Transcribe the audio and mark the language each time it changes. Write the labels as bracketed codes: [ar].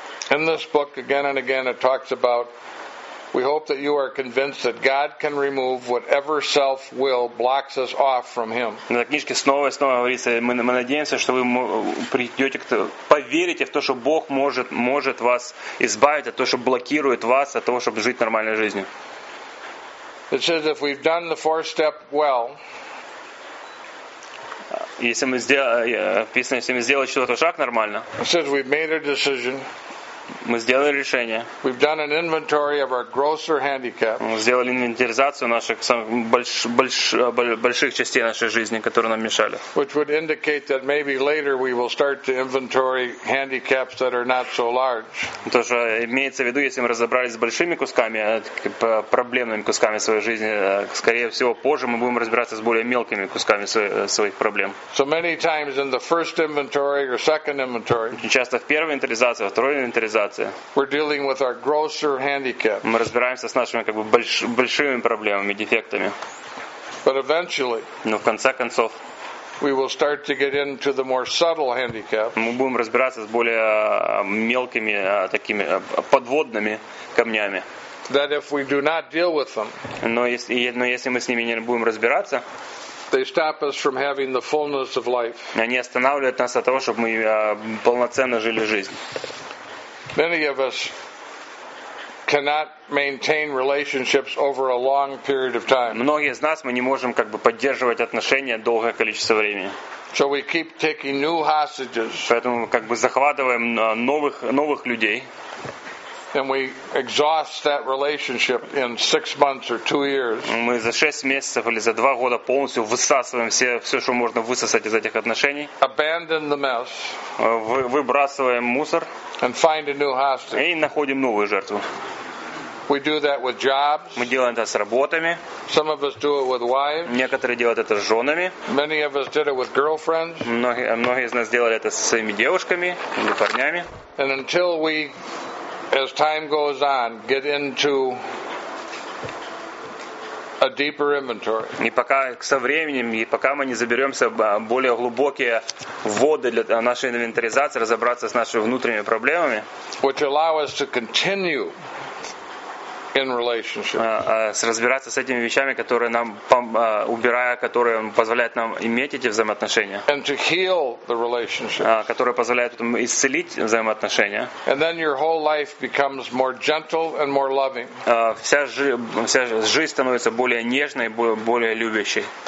[en] In this book, again and again, it talks about. We hope that you are convinced that God can remove whatever self-will blocks us off from Him. [ru] На книжке снова и снова говорится, мы надеемся, что вы придете к поверите в то, что Бог может вас избавить от того, что блокирует вас от того, чтобы жить нормальной жизнью. [en] It says if we've done the fourth step well. [ru] Если мы сделали четвертый шаг нормально. [en] It says we've made a decision. [ru] Мы сделали решение. [en] We've done an inventory of our grosser handicap. [ru] Мы сделали инвентаризацию наших самых больших частей нашей жизни, которые нам мешали. [en] Which would indicate that maybe later we will start to inventory handicaps that are not so large. [ru] Тоже имеется в виду, если мы разобрались с большими кусками, проблемными кусками своей жизни, скорее всего, позже мы будем разбираться с более мелкими кусками своих проблем. [en] So many times in the first inventory or second inventory. [ru] Часто в первой инвентаризации, во второй инвентаризации. [en] We're dealing with our grosser handicap. [ru] Мы разбираемся с нашими как бы большими проблемами, дефектами. [en] But eventually, [ru] но в конце концов, [en] we will start to get into the more subtle handicaps. [ru] Мы будем разбираться с более мелкими такими подводными камнями. [en] That if we do not deal with them, [ru] но если мы с ними не будем разбираться, [en] they stop us from having the fullness of life. [ru] Они останавливают нас от того, чтобы мы полноценно жили жизнь. [en] Many of us cannot maintain relationships over a long period of time. [ru] Многие из нас мы не можем как бы поддерживать отношения долгое количество времени. [en] So we keep taking new hostages. [ru] Поэтому как бы захватываем новых людей. [en] And we exhaust that relationship in 6 months or 2 years. [ru] Мы за 6 месяцев или за 2 года полностью высасываем все, что можно высосать из этих отношений. [en] Abandon the mess. [ru] Выбрасываем мусор. [en] And find a new hostage. [ru] И находим новую жертву. [en] We do that with jobs. [ru] Мы делаем это с работами. [en] Some of us do it with wives. [ru] Некоторые делают это с женами. [en] Many of us did it with girlfriends. [ru] Многие из нас делали это со своими девушками или парнями. [en] And until we, as time goes on, get into a deeper inventory. [ru] И пока со временем, и пока мы не заберемся в более глубокие воды для нашей инвентаризации, разобраться с нашими внутренними проблемами, [en] which allow us to continue in relationships. [ru] Разбираться с этими вещами, которые нам убирая, которые позволяют нам иметь эти взаимоотношения. [en] And to heal the relationships. [ru] Которые позволяют нам исцелить взаимоотношения. [en] And then your whole life becomes more gentle and more loving. [ru] Вся жизнь становится более нежной, более любящей.